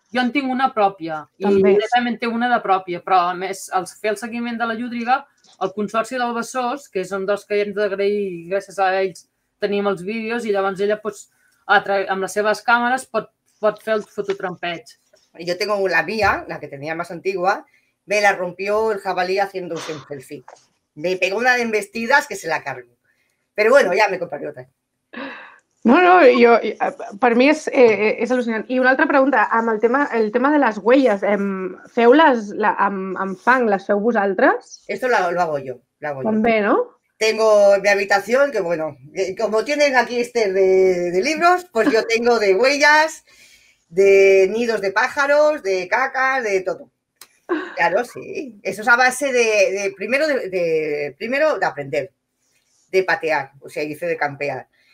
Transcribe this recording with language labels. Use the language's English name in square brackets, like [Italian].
[Catalan] Jo en tinc una pròpia també. I realment té una de pròpia, però a més, al fer el seguiment de la Llúdriga, el consorci del Besòs, que és un dels que hem d'agrair gràcies a ells, tenim els vídeos i llavors ella, pues, amb les seves càmeres, pot fer el fototrampeig. Jo tinc la mia, la que tenia més antigua, [Spanish] me la rompió el jabalí haciendo un selfie. Me pegó una de embestidas que se la cargó. Pero bueno, ya me compraré otra. [Catalan] No, no, jo, per mi és al·lucinant. I una altra pregunta, amb el tema de les huelles, feu amb fang, les feu vosaltres? [Spanish] Esto lo hago yo. [Catalan] També, no? [Spanish] Tengo mi habitación, que bueno, como tienen aquí este de libros, pues yo tengo de huellas, de nidos de pájaros, de caca, de todo. Claro, sí. Eso es a base de primero de aprender, de patear, o sea, hice de campear.